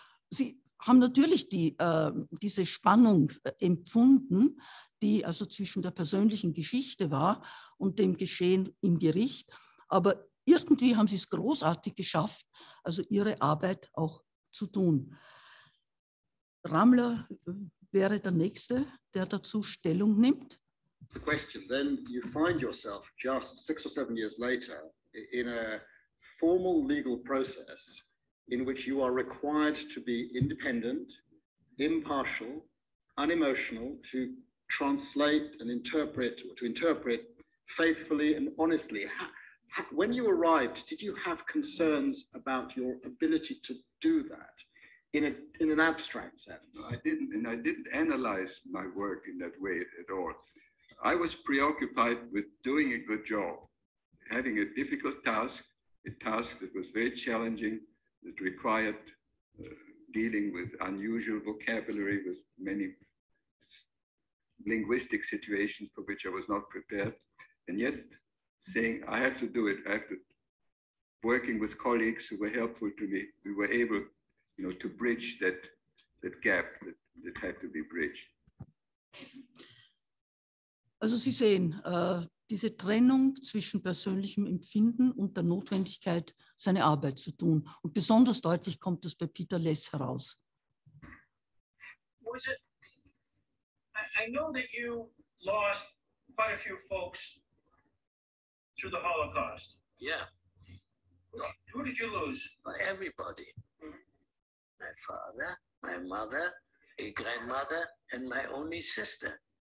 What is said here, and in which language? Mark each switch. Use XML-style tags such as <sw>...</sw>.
<de>Sie haben natürlich diese Spannung empfunden, die also zwischen der persönlichen Geschichte war und dem Geschehen im Gericht. Aber irgendwie haben sie es großartig geschafft, also ihre Arbeit auch zu tun. Rammler wäre der Nächste, der dazu Stellung nimmt.</de> <en>The question, then you find yourself just 6 or 7 years later in a formal legal process in which you are required to be independent, impartial, unemotional, to translate and interpret, or to interpret faithfully and honestly. When you arrived, did you have concerns about your ability to do that in an abstract sense? I didn't analyze my work in that way at all. I was preoccupied with doing a good job, having a difficult task, a task that was very challenging, that required dealing with unusual vocabulary, with many linguistic situations for which I was not prepared, and yet saying, I have to do it, I have to, working with colleagues who were helpful to me, we were able, you know, to bridge that gap that had to be bridged.</en> <de>Also Sie sehen, diese Trennung zwischen persönlichem Empfinden und der Notwendigkeit, seine Arbeit zu tun. Und besonders deutlich kommt das bei Peter Less heraus.</de> <en>Was it, I know that you lost quite a few folks through the Holocaust. Yeah. Who did you lose? Everybody. Mm-hmm. My father, my mother, a grandmother, and my only sister.</en>